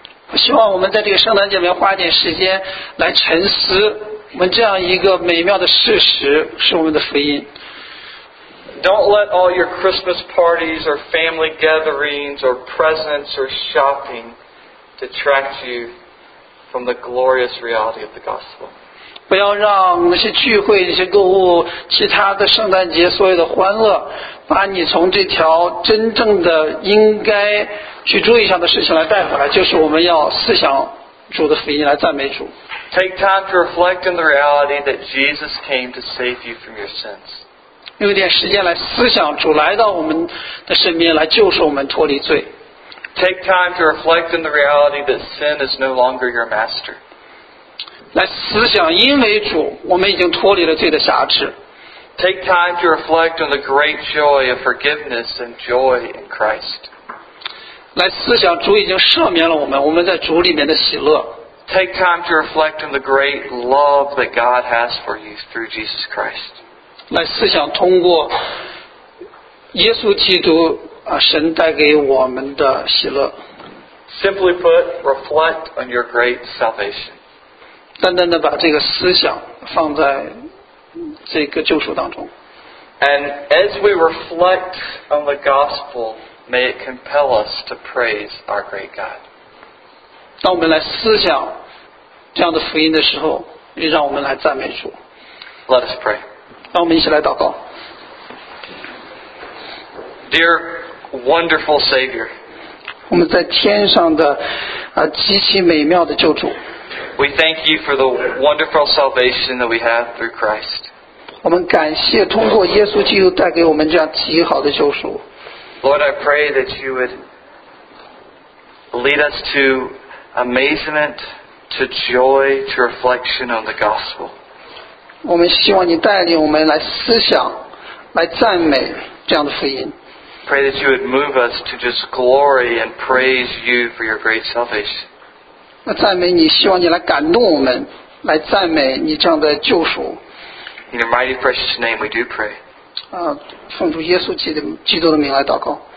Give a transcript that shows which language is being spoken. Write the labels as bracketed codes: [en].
[zh] 我希望我们在这个圣诞节里面花一点时间来沉思我们这样一个美妙的事实是我们的福音。 [en] Don't let all your Christmas parties or family gatherings or presents or shopping detract you from the glorious reality of the gospel. [zh] 不要让那些聚会、那些购物、其他的圣诞节所有的欢乐，把你从这条真正的应该去注意上的事情来带回来，就是我们要思想主的福音，来赞美主。 [en] Take time to reflect on the reality that Jesus came to save you from your sins. [zh] 用点时间来思想主来到我们的身边，来救赎我们脱离罪。 [en] Take time to reflect on the reality that sin is no longer your master. [zh] 来思想，因为主，我们已经脱离了罪的辖制。 [en] Take time to reflect on the great joy of forgiveness and joy in Christ. [zh] 来思想，主已经赦免了我们，我们在主里面的喜乐。 [en] Take time to reflect on the great love that God has for you through Jesus Christ. [zh] 来思想，通过耶稣基督啊，神带给我们的喜乐。 [en] Simply put, reflect on your great salvation. [zh] 单单的把这个思想放在这个救赎当中。 [en] And as we reflect on the gospel, may it compel us to praise our great God. [zh] 当我们来思想这样的福音的时候，也让我们来赞美主。 [en] Let us pray. [zh] 让我们一起来祷告。 [en] Dear wonderful Savior, [zh] 我们在天上的极其美妙的救主。 [en] We thank you for the wonderful salvation that we have through Christ. [zh] 我们感谢通过耶稣基督带给我们这样极好的救赎。 [en] Lord, I pray that you would lead us to amazement, to joy, to reflection on the gospel. [zh] 我们希望你带领我们来思想，来赞美这样的福音。 [en] Pray that you would move us to just glory and praise you for your great salvation. [zh] 那赞美你，希望你来感动我们，来赞美你这样的救赎。 [en] In your mighty precious name, we do pray. [zh] 奉主耶稣基督的名来祷告。